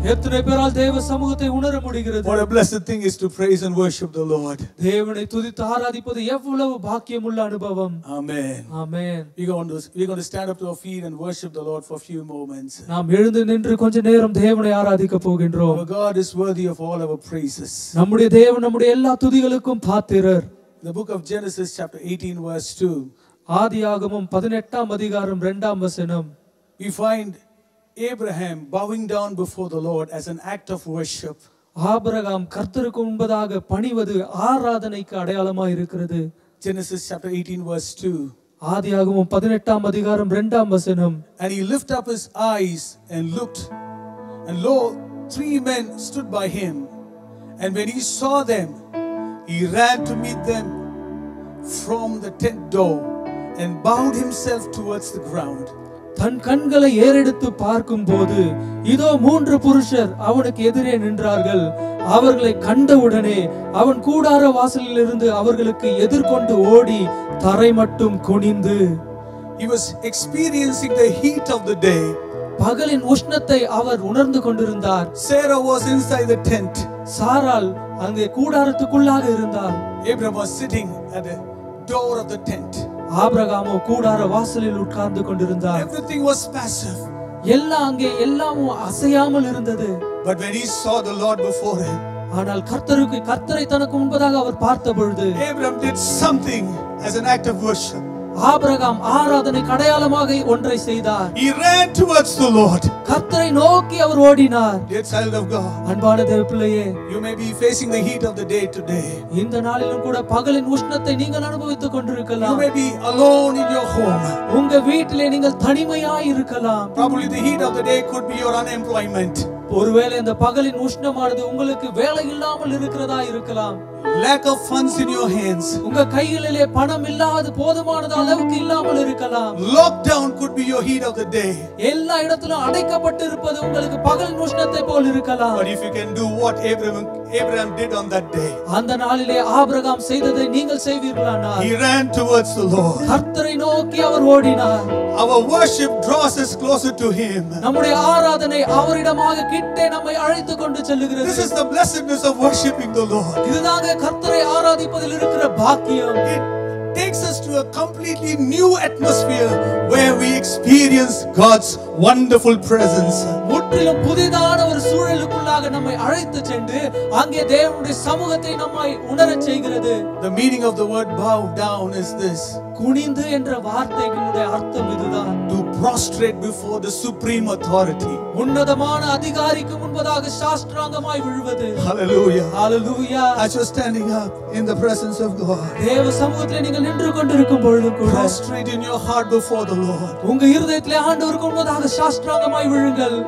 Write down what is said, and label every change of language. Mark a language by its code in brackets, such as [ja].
[ta] எத்தனை பேரால் தேவ சமூகத்தை உணர முடிகிறது? [en] What a blessed thing is to praise and worship the Lord. [ta] தேவனை துதித்து ஆராதிப்பது எவ்வளவு பாக்கியமுள்ள அனுபவம். Amen. Amen. [en] We're going to stand up to our feet and worship the Lord for a few moments. [ta] நாம் எழுந்து நின்று கொஞ்ச நேரம் தேவனை ஆராதிக்க போகின்றோம். [en] Our God is worthy of all our praises. [ta] நம்முடைய தேவன் நம்முடைய எல்லா துதிகளுக்கும் பாத்திரர். [en] The book of Genesis chapter 18 verse 2. [ta] ஆதியாகமம் 18 அதிகாரம் 2 வசனம். [en] We find Abraham bowing down before the Lord as an act of worship. [ta] Abraham கர்த்தருக்கு முன்பதாக பணிவது ஆராதனைக்கு அடையாளமாக இருக்கிறது. [en] Genesis chapter 18 verse 2. [ta] ஆதியாகமம் 18 அதிகாரம் 2 வசனம். [en] And he lifted up his eyes and looked, and lo, three men stood by him. And when he saw them, he ran to meet them from the tent door and bowed himself towards the ground. [ta] தன் கண்களை ஏறெடுத்து பார்க்கும் போது இதோ மூன்று புருஷர் அவனுக்கு எதிரே நின்றார்கள். அவர்களை கண்டவுடனே அவன் கூடார வாசலில் இருந்து அவர்களுக்கு எதிர்கொண்டு ஓடி தரை மட்டும் குனிந்து [en] He was experiencing the heat of the day. [ta] பகலின் உஷ்ணத்தை அவர் உணர்ந்து கொண்டிருந்தார். [en] Sarah was inside the tent. [ta] சாராள் அங்கே கூடாரத்துக்குள்ளாக இருந்தார். [en] Abraham was sitting at the door of the tent. [ta] ஆபிரகாமோ கூடார வாசலில் உட்கார்ந்து கொண்டிருந்தார். [en] Everything was passive. [ta] எல்லாம் அங்கே எல்லாமும் அசையாமல் இருந்தது. [en] But when he saw the Lord before him. [ta] ஆனால் கர்த்தருக்கு கர்த்தரை தனக்கு முன்பதாக அவர் பார்த்தபொழுது [en] Abraham did something as an act of worship. [ta] Abraham ஆராதனை கடையாளமாக ஒன்றை செய்தார். [en] He ran towards the Lord. [ta] கர்த்தரை நோக்கி அவர் ஓடினார். [en] Dear child of God. [ta] அன்பான தேவபிள்ளையே. [en] You may be facing the heat of the day today. [ta] இந்த நாளிலும் கூட பகலின் உஷ்ணத்தை நீங்கள் அனுபவித்துக் கொண்டிருக்கலாம். [en] You may be alone in your home. [ta] உங்க வீட்டிலே நீங்கள் தனிமையாய் இருக்கலாம். [en] Probably the heat of the day could be your unemployment. [ta] ஒருவேளை இந்த பகலின் உஷ்ணமானது உங்களுக்கு வேலை இல்லாமல் இருக்கிறதா இருக்கலாம். [en] lack of funds in your hands. [ta] உங்க கைகளிலே பணம் இல்லாது போதுமான அளவுக்கு இல்லாமல் இருக்கலாம். [en] Lockdown could be your heat of the day. [ta] எல்லா இடத்திலும் அடைக்கப்பட்டிருப்பது உங்களுக்கு பகல் உஷ்ணத்தை போல் இருக்கலாம். [en] But if you can do what Abraham did on that day. [ta] அந்த நாளிலே ஆபிரகாம் செய்ததை நீங்கள் செய்வீர்களானால். [en] He ran towards the Lord. [ta] கர்த்தரை நோக்கி அவர் ஓடினார். [en] Our worship draws us closer to him. [ta] நம்முடைய ஆராதனை அவரிடமாக கிட்டே நம்மை அழைத்து கொண்டு செல்கிறது. [en] This is the blessedness of worshiping the Lord. [ta] இதுதாங்க கர்த்தரை ஆராதிப்பதில் இருக்கிற பாக்கியம். [en] It takes us to a completely new atmosphere where we experience God's wonderful presence. [ta] முற்றிலும் புதிதான ஒரு சூழலுக்குள்ளாக நம்மை அழைத்து சென்று அங்கே தேவனுடைய சமூகத்தை நம்மை உணர செய்கிறது. [en] The meaning of the word bow down is this. [ta] குனிந்து என்ற வார்த்தையினுடைய அர்த்தம் இதுதான். [en] To prostrate before the supreme authority. [ta] உன்னதமான அதிகாரிக்கு முன்பதாக சாஸ்திரங்கமாய் விழுவது. Hallelujah. Hallelujah. [en] As you're standing up in the presence of God. [ta] தேவ சமூகத்திலே நீங்கள் நின்று கொண்டிருக்கும் பொழுது கூட. [en] Prostrate in your heart before the Lord. [ta] உங்க இருதயத்திலே ஆண்டவருக்கு முன்பதாக சாஸ்திரங்கமாய் விழுங்கள்.